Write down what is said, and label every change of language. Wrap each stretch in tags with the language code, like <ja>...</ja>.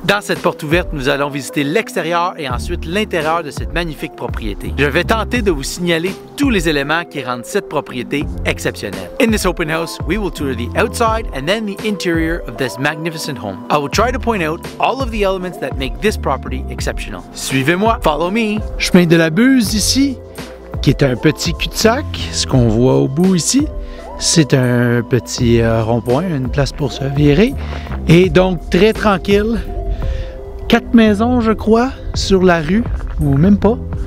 <fr>Dans cette porte ouverte, nous allons visiter l'extérieur et ensuite l'intérieur de cette magnifique propriété. Je vais tenter de vous signaler tous les éléments qui rendent cette propriété exceptionnelle.</fr> <en>In this open house, we will tour the outside and then the interior of this magnificent home. I will try to point out all of the elements that make this property exceptional.</en> <fr>Suivez-moi.</fr> <en>Follow me.</en> <fr>Chemin de la Buse ici, qui est un petit cul-de-sac. Ce qu'on voit au bout ici, c'est un petit rond-point, une place pour se virer. Et donc, très tranquille. Quatre maisons, je crois, sur la rue, ou même pas.</fr>